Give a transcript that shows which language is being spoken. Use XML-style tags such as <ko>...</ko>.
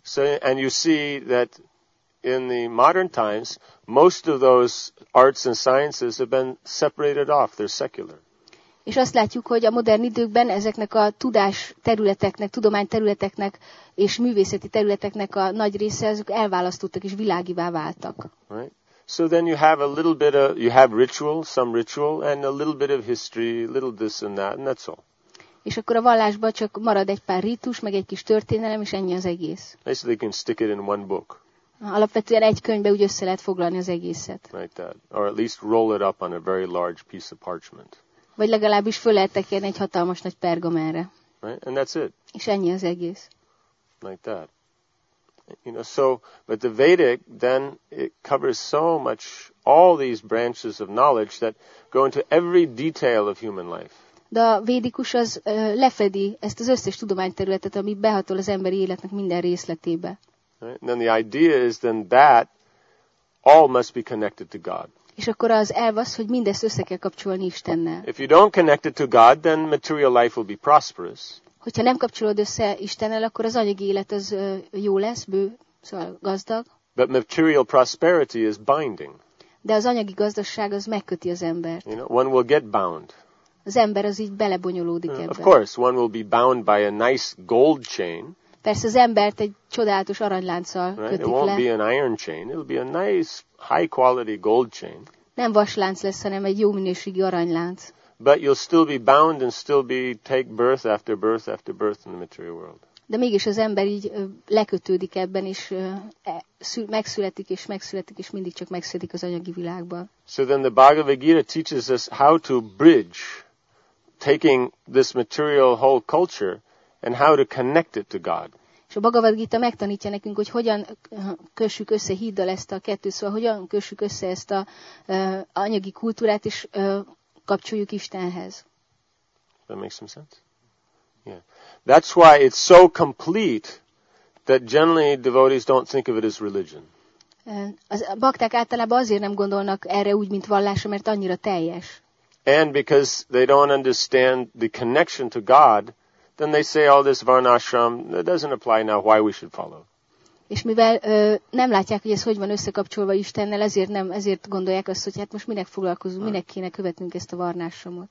<en>So, and you see that in the modern times, most of those arts and sciences have been separated off. They're secular.</en> <hu>És azt látjuk, hogy a modern időkben ezeknek a tudás területeknek, tudomány területeknek és művészeti területeknek a nagy része azok elválasztottak és világivá váltak.</hu> <en>Right. So then you have a little bit of, you have ritual, some ritual, and a little bit of history, little this and that, and that's all.</en> <hu>És akkor a vallásban csak marad egy pár rítus, meg egy kis történelem, és ennyi az egész.</hu> <en>Basically you can stick it in one book.</en> <hu>Alapvetően egy könyvbe úgy össze lehet foglalni az egészet.</hu> <en>Like that. Or at least roll it up on a very large piece of parchment.</en> <hu>Vagy legalábbis föl lehet tekerni egy hatalmas nagy pergamenre.</hu> <en>Right? And that's it.</en> <hu>És ennyi az egész.</hu> <en>Like that. You know, so, but the Vedic, then, it covers so much, all these branches of knowledge that go into every detail of human life.</en> <hu>De a védikus az lefedi ezt az összes tudományterületet, ami behatol az emberi életnek minden részletébe.</hu> <en>Right? Then the idea is then that all must be connected to God.</en> <hu>És akkor az elv az, hogy mindezt össze kell kapcsolni Istennel.</hu> <en>If you don't connect it to God, then material life will be prosperous.</en> <hu>Hogyha nem kapcsolod össze Istennel, akkor az anyagi élet az jó lesz, bő, szóval gazdag.</hu> <en>But material prosperity is binding.</en> <hu>De az anyagi gazdagság az megköti az embert.</hu> <en>You know, one will get bound.</en> <hu>Az ember az így belebonyolódik ebbe.</hu> <en>Of course, one will be bound by a nice gold chain.</en> <hu>Persze az embert egy csodálatos aranylánccal</hu> <en>right?</en> <hu>kötik</hu> <en>it won't</en> <hu>le.</hu> <en>Be an iron chain. It'll be a nice high quality gold chain.</en> <hu>Nem vaslánc lesz, hanem egy jó minőségi aranylánc.</hu> <en>But you'll still be bound and still be take birth after birth after birth in the material world.</en> <hu>De mégis az ember így lekötődik ebben is megszületik és megszületik és mindig csak megszületik az anyagi világban.</hu> <en>So then the Bhagavad Gita teaches us how to bridge taking this material whole culture and how to connect it to God.</en> <hu>És a Bhagavad Gita megtanítja nekünk, hogy hogyan kössük össze híddal ezt a kettőt, szóval hogyan kössük össze ezt a anyagi kultúrát és kapcsoljuk Istenhez.</hu> <en>That makes some sense? Yeah. That's why it's so complete that generally devotees don't think of it as religion.</en> <hu>A bakták általában azért nem gondolnak erre úgy, mint vallásra, mert annyira teljes.</hu> <en>And because they don't understand the connection to God, then they say all this varnashram, that doesn't apply now, why we should follow.</en> <hu>És mivel nem látják, hogy ez hogy van összekapcsolva Istennel, ezért gondolják azt, hogy hát most minek foglalkozunk, minek kéne követnünk ezt a varnásomot.</hu>